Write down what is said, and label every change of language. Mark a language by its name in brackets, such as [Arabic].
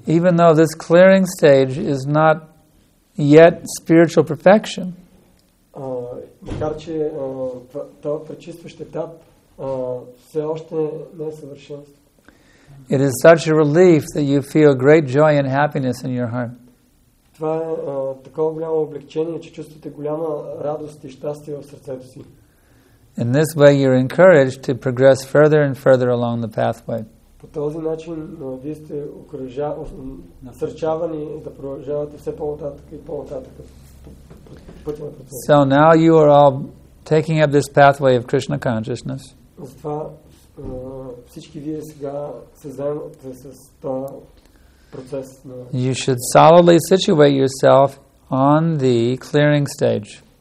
[English] Even though this clearing stage is not yet spiritual perfection, [Bulgarian] макар че това пречистващ етап все още не е съвършенство. [English] It is such a relief that you feel great joy and happiness in your heart. [Bulgarian] Това е такова голямо облегчение, че чувствате голяма радост и щастие в сърцето си. [English] In this way you're encouraged to progress further and further along the pathway. [Bulgarian] По По този начин вие сте насърчавани да продължавате все по-нататък и по-нататък. [English] So now you are all taking up this pathway of Krishna consciousness. [Bulgarian] Затова всички вие сега се заемате с това процес. [English] You should solidly situate yourself on the clearing stage.